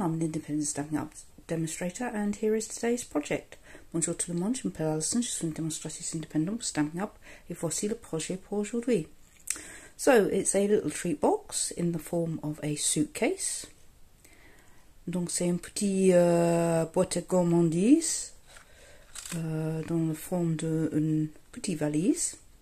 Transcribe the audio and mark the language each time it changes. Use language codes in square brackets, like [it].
[en] I'm an independent Stampin Up demonstrator, and here is today's project. [fr] Bonjour tout le monde, je m'appelle Alison, je suis une demonstratrice indépendante pour Stampin Up, et voici le projet pour aujourd'hui. [en] So, it's a little treat box in the form of a suitcase. [fr] Donc, c'est une petite boîte à gourmandise dans la forme d'une petite valise.